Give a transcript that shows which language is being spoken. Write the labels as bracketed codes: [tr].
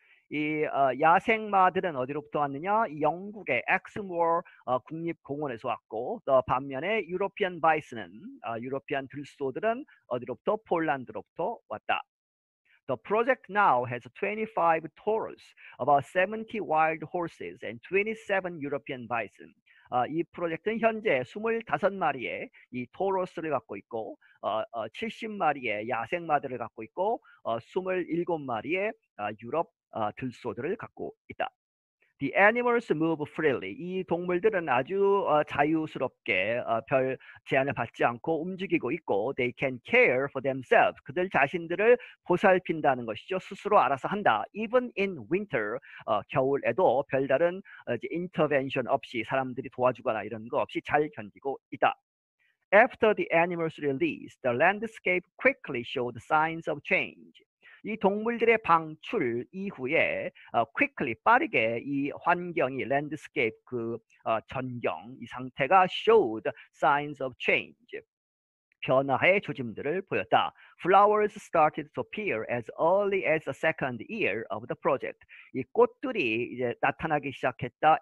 [ko] 이 야생마들은 어디로부터 왔느냐? 영국의 엑스모어 국립공원에서 왔고, 반면에 유러피안 바이슨은 유러피안 들소들은 어디로부터? 폴란드로부터 왔다. [en] The project now has 25 toros, about 70 wild horses, and 27 European bison. [ko] 이 프로젝트는 현재 25마리의 이 토로스를 갖고 있고, 70마리의 야생마들을 갖고 있고, 27마리의 유럽 들소들을 갖고 있다. [en] The animals move freely. [ko] 이 동물들은 아주 자유스럽게 별 제한을 받지 않고 움직이고 있고, [en] they can care for themselves. [ko] 그들 자신들을 보살핀다는 것이죠. 스스로 알아서 한다. [en] Even in winter, [ko] 겨울에도 별다른 intervention 없이 사람들이 도와주거나 이런 거 없이 잘 견디고 있다. [en] After the animals released, the landscape quickly showed signs of change. [ko] 이 동물들의 방출 이후에 quickly 빠르게 이 환경이 landscape 그 전경 이 상태가 [en] showed signs of change [ko] 변화의 조짐들을 보였다. [en] Flowers started to appear as early as the second year of the project. [ko] 이 꽃들이 이제 나타나기 시작했다.